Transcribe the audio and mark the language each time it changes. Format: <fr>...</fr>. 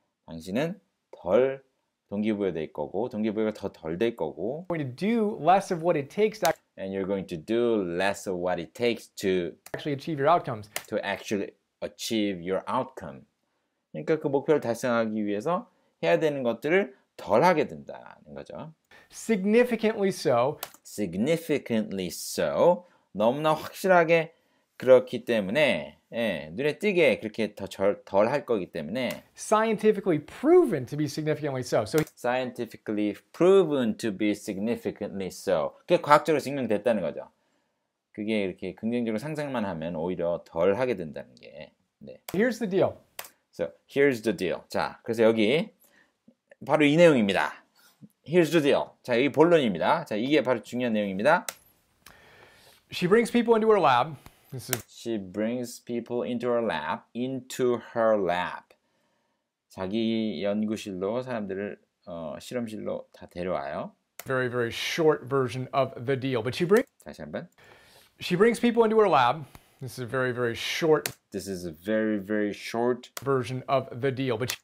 <ko>당신은 덜 동기부여 될 거고, 동기부여가 더 덜 될 거고.</ko> <en>Going to do less of what it takes. To And you're going to do less of what it takes to actually achieve your outcomes. To actually achieve your outcome.</en> <ko>그러니까 그 목표를 달성하기 위해서 해야 되는 것들을 덜 하게 된다는 거죠.</ko> <en>Significantly so. Significantly so.</en> <ko>너무나 확실하게 그렇기 때문에. 예, 눈에 띄게 그렇게 더 덜 할 거기 때문에</ko> <en>scientifically proven to be significantly so. So scientifically proven to be significantly so.</en> <ko>그게 과학적으로 증명됐다는 거죠. 그게 이렇게 긍정적으로 상상만 하면 오히려 덜 하게 된다는 게. 네.</ko> <en>Here's the deal. So, here's the deal.</en> <ko>자, 그래서 여기 바로 이 내용입니다.</ko> <en>Here's the deal.</en> <ko>자, 여기 본론입니다. 자, 이게 바로 중요한 내용입니다.</ko> <en>She brings people into her lab. She brings people into her lab, into her lab.</en> <ko>자기 연구실로 사람들을 실험실로 다 데려와요.</ko> <en>Very, very short version of the deal. But she brings.</en> <ko>다시 한번.</ko> <en>She brings people into her lab. This is a very, very short. This is a very, very short version of the deal. But she...</en>